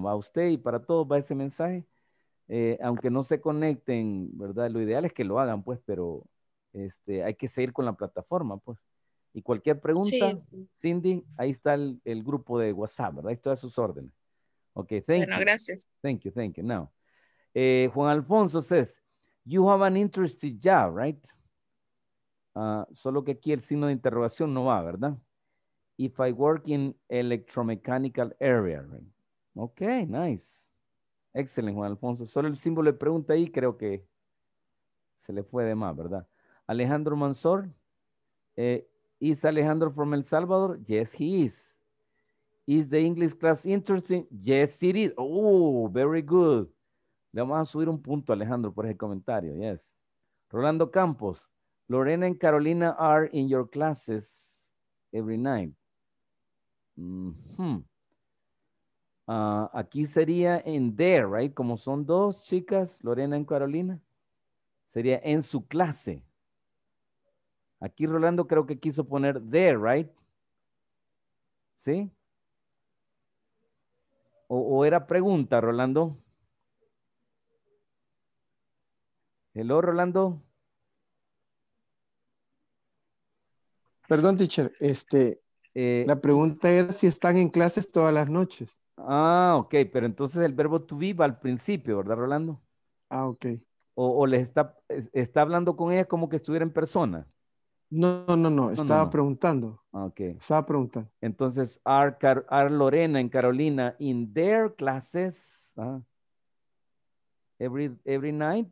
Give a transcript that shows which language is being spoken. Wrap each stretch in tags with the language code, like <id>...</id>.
<es>Va usted y para todos va ese mensaje. Aunque no se conecten, ¿verdad? Lo ideal es que lo hagan, pues, pero hay que seguir con la plataforma, pues. Y cualquier pregunta, sí. Cindy, ahí está el grupo de WhatsApp, ¿verdad? Ahí está a sus órdenes.</es> <en>Ok, thank</en> <es>you. Bueno, gracias.</es> <en>Thank you, now. Juan Alfonso says, you have an interesting job, right?</en> <es>Solo que aquí el signo de interrogación no va, ¿verdad?</es> <en>If I work in electromechanical area, right?</en> <es>Ok, nice. Excelente, Juan Alfonso. Solo el símbolo de pregunta ahí creo que se le fue de más, ¿verdad?</es> <en>Alejandro Mansor. ¿Is Alejandro from El Salvador? Yes, he is. ¿Is the English class interesting? Yes, it is. Oh, very good.</en> <es>Le vamos a subir un punto, Alejandro, por ese comentario.</es> <en>Yes. Rolando Campos. Lorena and Carolina are in your classes every night.</en> <es>Mm-hmm. Aquí sería en</es> <en>there, right?</en> <es>Como son dos chicas, Lorena y Carolina, sería en su clase. Aquí Rolando creo que quiso poner</es> <en>there, right?</en> <es>¿Sí? ¿O era pregunta, Rolando?</es> <en>Hello, Rolando.</en> <es>Perdón, teacher. La pregunta era si están en clases todas las noches. Ah, ok, pero entonces el verbo to be va al principio, ¿verdad, Rolando? Ah, ok. ¿O les está hablando con ella como que estuviera en persona? No, estaba preguntando. Ok. Estaba preguntando.</es> <en>Entonces, are Lorena and Carolina in their classes every night?</en>